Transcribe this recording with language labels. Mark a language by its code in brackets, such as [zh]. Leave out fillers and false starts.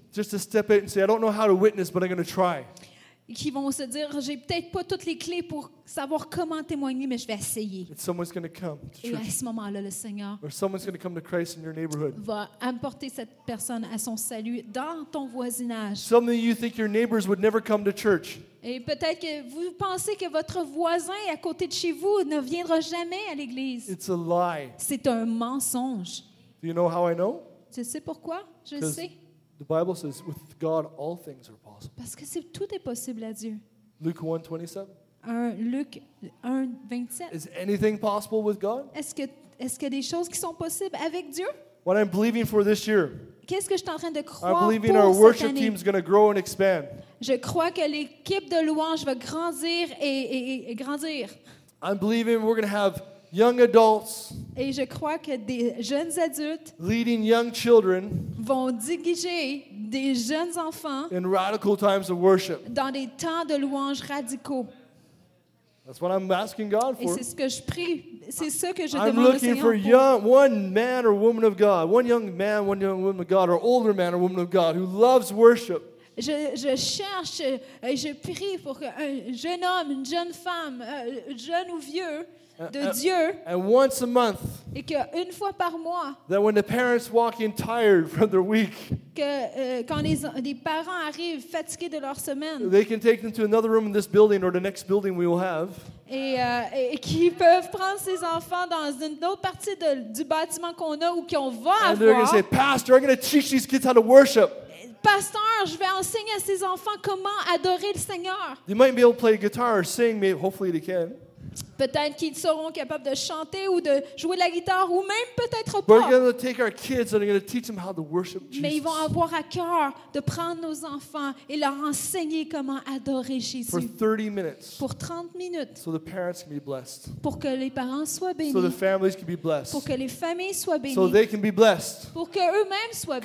[en] Just to step out and say, I don't know how to witness, but I'm going to try. [fr] Qui vont se dire, j'ai peut-être pas toutes les clés pour savoir comment témoigner, mais je vais essayer. [en] And someone's going to come to church. [fr] Et à ce moment-là, le Seigneur [en] or someone's going to come to Christ in your neighborhood. [fr] Va apporter cette personne à son salut dans ton voisinage. [en] Some of you think your neighbors would never come to church. [fr] Et peut-être que vous pensez que votre voisin à côté de chez vous ne viendra jamais à l'église. [en] It's a lie. [fr] C'est un mensonge. [en] Do you know how I know? [fr] Tu sais pourquoi? Je sais. [en] The Bible says, with God, all things are possible. [fr] Parce que c'est, tout est possible à Dieu. [en] Luke 1:27. Luke 1:27. Is anything possible with God? [fr] Est-ce que des choses qui sont possibles avec Dieu? [en] What I'm believing for this year. [fr] Qu'est-ce que je suis en train de croire pour cette année? [en] I'm believing our worship team is going to grow and expand. [fr] Je crois que l'équipe de louange va grandir et grandir. [en] I'm believing we're going to have young adults. [fr] Et je crois que des jeunes adultes [en] leading young children [fr] vont diriger des jeunes enfants [en] in radical times of worship. [fr] Dans des temps de louange radicaux. [en] That's what I'm asking God for. [fr] Et c'est ce que je prie. C'est ce que je [en] I'm looking for young, one man or woman of God, one young man, one young woman of God, or older man or woman of God who loves worship. [fr] Je cherche et je prie pour qu'un jeune homme, une jeune femme, jeune ou vieux de Dieu, [en] and once a month, [fr] et qu'une fois par mois, [en] that when the parents walk in tired from their week, [fr] que quand les parents arrivent fatigués de leur semaine, [en] they can take them to another room in this building or the next building we will have. [fr] Et qui peuvent prendre ses enfants dans une autre partie du bâtiment qu'on a ou qu'on va [en] and And they're going to say, Pastor, I'm going to teach these kids how to worship. [fr] Pasteur, je vais enseigner à ses enfants comment adorer le Seigneur. [en] They might be able to play guitar or sing, maybe hopefully they can. [fr] Peut-être qu'ils seront capables de chanter ou de jouer de la guitare ou même peut-être pas. [en] We're going to take our kids and we're going to teach them how to worship Jesus. [fr] Mais ils vont avoir à cœur de prendre nos enfants et leur enseigner comment adorer Jésus. [en] For 30 minutes. [fr] Pour 30 minutes. [en] So the parents can be blessed. [fr] Pour que les parents soient bénis. [en] So the families can be blessed. [fr] Pour que les familles soient bénies. [en] So they can be blessed. [fr] Pour que eux-mêmes soient bénis.